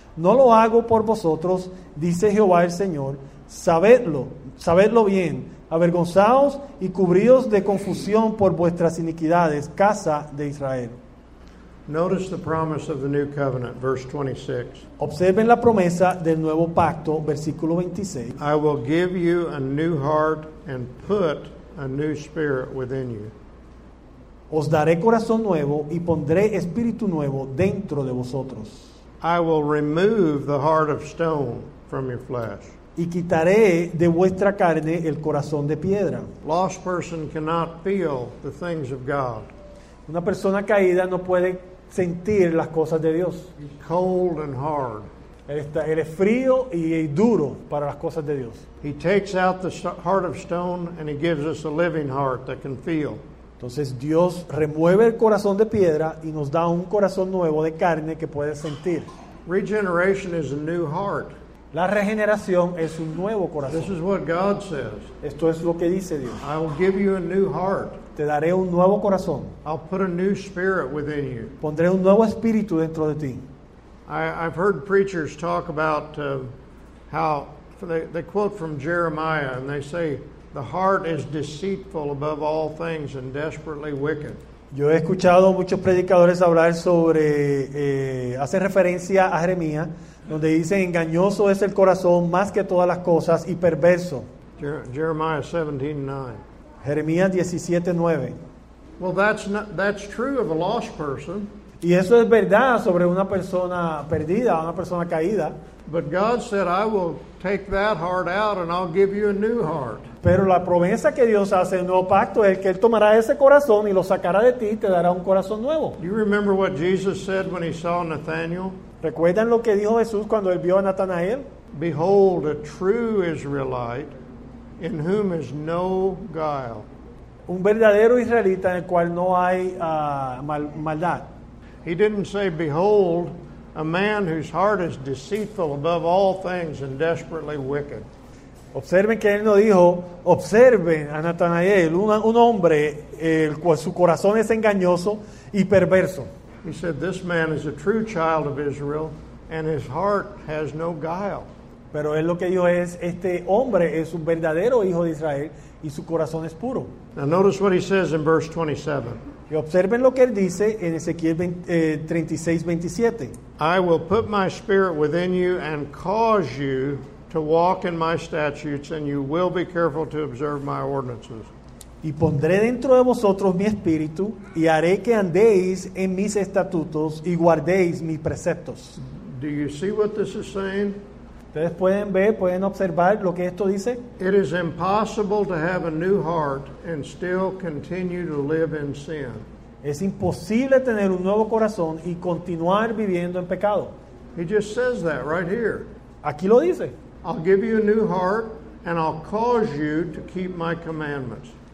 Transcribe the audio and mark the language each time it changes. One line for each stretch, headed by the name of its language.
Spanish: No lo hago por vosotros, dice Jehová el Señor, sabedlo bien, avergonzaos y cubríos de confusión por vuestras iniquidades, casa de Israel.
English: Notice the promise of the new covenant, verse 26.
Spanish: Observen la promesa del nuevo pacto, versículo 26.
English: I will give you a new heart and put a new spirit within you.
Spanish: Os daré corazón nuevo y pondré espíritu nuevo dentro de vosotros.
English: I will remove the heart of stone from your flesh.
Spanish: Y quitaré de vuestra carne el corazón de piedra.
English: Lost person cannot feel the things of God.
Spanish: Una persona caída no puede sentir las cosas de Dios.
English: Cold and hard.
Spanish: Él es frío y duro para las cosas de Dios.
English: He takes out the heart of stone and he gives us a living heart that can feel.
Spanish: Entonces Dios remueve el corazón de piedra y nos da un corazón nuevo de carne que puede sentir.
English: Regeneration is a new heart.
Spanish: La regeneración es un nuevo corazón.
English: This is what God says.
Spanish: Esto es lo que dice Dios.
English: I will give you a new heart.
Spanish: Te daré un nuevo corazón.
English: I'll put a new spirit within you.
Spanish: Pondré un nuevo espíritu dentro de ti.
English: I've heard preachers talk about how they quote from Jeremiah and they say, the heart is deceitful above all things and desperately wicked.
Spanish: Yo he escuchado muchos predicadores hablar sobre, hace referencia a Jeremías, donde dice, engañoso es el corazón más que todas las cosas y perverso.
English: Jeremiah 17:9.
Spanish: Jeremías 17:9.
English: Well, that's true of a lost person.
Spanish: Y eso es verdad sobre una persona perdida, una persona caída.
English: But God said, I will take that heart out and I'll give you a new heart.
Spanish: Pero la promesa que Dios hace en el nuevo pacto es que Él tomará ese corazón y lo sacará de ti y te dará un corazón nuevo.
English: Do you remember what Jesus said when he saw Nathanael?
Spanish: ¿Recuerdan lo que dijo Jesús cuando Él vio a Natanael?
English: Behold, a true Israelite in whom is no guile.
Spanish: Un verdadero israelita en el cual no hay maldad.
English: He didn't say, behold, a man whose heart is deceitful above all things and desperately wicked.
Spanish: Observen que él no dijo, observen a Natanael, un hombre el cual su corazón es engañoso y perverso.
English: He said, this man is a true child of Israel and his heart has no guile.
Spanish: Pero él lo que dijo es, este hombre es un verdadero hijo de Israel y su corazón es puro.
English: Now notice what he says in verse 27.
Spanish: Y observen lo que él dice en Ezequiel 36:27.
English: I will put my spirit within you and cause you to walk in my statutes and you will be careful to observe my ordinances.
Spanish: Y pondré dentro de vosotros mi espíritu y haré que andéis en mis estatutos y guardéis mis preceptos.
English: Do you see what this is saying?
Spanish: ¿Ustedes pueden ver, pueden observar lo que esto dice?
English: It is impossible to have a new heart and still continue to live in sin.
Spanish: Es imposible tener un nuevo corazón y continuar viviendo en pecado.
English: He just says that right here.
Spanish: Aquí lo dice.
English: I'll give you a new heart and I'll cause you to keep my commandments.